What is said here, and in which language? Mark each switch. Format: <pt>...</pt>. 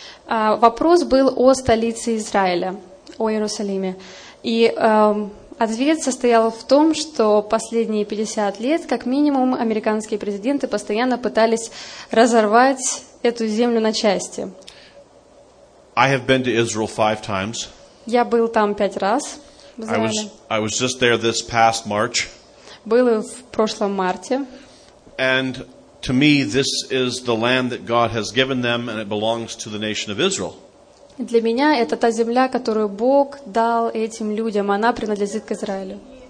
<ru>Вопрос был о столице Израиля, о Иерусалиме. И ответ состоял в том, что последние 50 лет, как минимум, американские президенты постоянно пытались разорвать эту землю на части.</ru> <en>I have been to Israel 5 times.</en> <ru>Я был там 5 раз.</ru> <en>I was just there this past March.</en> <ru>Был в прошлом марте.</ru> <en>And to me, this is the land that God has given them, and it belongs to the nation of Israel.</en> <ru>Для меня это та земля, которую Бог дал этим людям. Она принадлежит к Израилю.</ru>